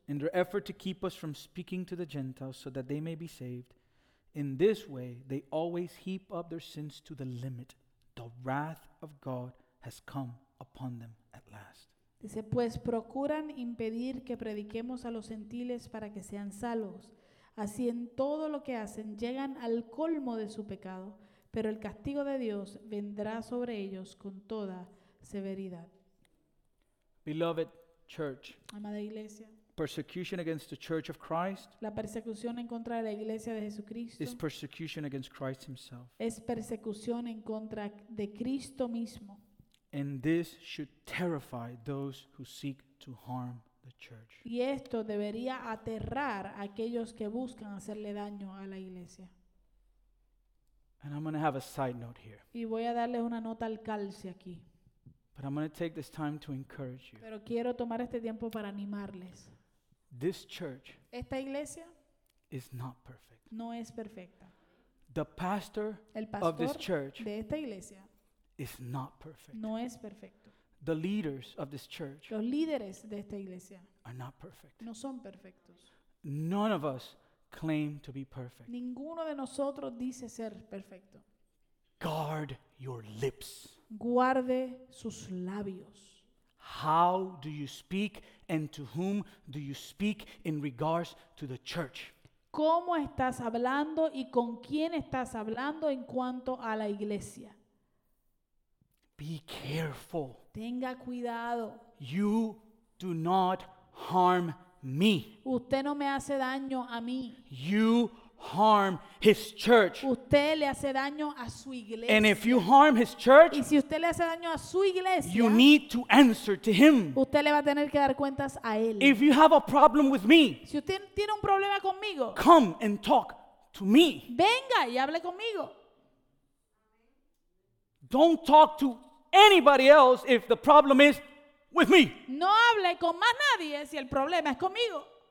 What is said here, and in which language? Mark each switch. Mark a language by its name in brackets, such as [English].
[English] In their effort to keep us from speaking to the Gentiles so that they may be saved, in this way they always heap up their sins to the limit. The wrath of God has come upon them at last. [Spanish] Dice, pues procuran impedir que prediquemos a los gentiles para que sean salvos. Así en todo lo que hacen llegan al colmo de su pecado, pero el castigo de Dios vendrá sobre ellos con toda severidad. [English] Beloved church, [Spanish] amada iglesia, [English] persecution against the church of Christ, [Spanish] la persecución en contra de la iglesia de Jesucristo, [English] is persecution against Christ himself, [Spanish] es persecución en contra de Cristo mismo. [English] And this should terrify those who seek to harm the church. [Spanish] Y esto debería aterrar a aquellos que buscan hacerle daño a la iglesia. [English] And I'm going to have a side note here. [Spanish] Y voy a darles una nota al calce aquí. [English] But I'm going to take this time to encourage you. [Spanish] Pero quiero tomar este tiempo para animarles. [English] This church, [Spanish] esta iglesia, [English] is not perfect. [Spanish] No es perfecta. [English] The pastor, [Spanish] el pastor [English] of this church, [Spanish] de esta iglesia, [English] is not perfect. [Spanish] No es perfecto. [English] The leaders of this church, [Spanish] los líderes de esta iglesia, [English] are not perfect. [Spanish] No son perfectos. [English] None of us claim to be perfect. [Spanish] Ninguno de nosotros dice ser perfecto. [English] Guard your lips. [Spanish] Guarde sus labios. [English] How do you speak and to whom do you speak in regards to the church? [Spanish] ¿Cómo estás hablando y con quién estás hablando en cuanto a la iglesia? [English] Be careful. [Spanish] Tenga cuidado. [English] You do not harm me. [Spanish] Usted no me hace daño a mí. [English] You harm his church. [Spanish] Usted le hace daño a su iglesia. [English] And if you harm his church, [Spanish] y si usted le hace daño a su iglesia, [English] you need to answer to him. [Spanish] Usted le va a tener que dar cuentas a él. [English] If you have a problem with me, [Spanish] si usted tiene un problema conmigo, [English] come and talk to me. [Spanish] Venga y hable conmigo. [English] Don't talk to anybody else if the problem is with me. [Spanish] No hable con más nadie si el problema es conmigo.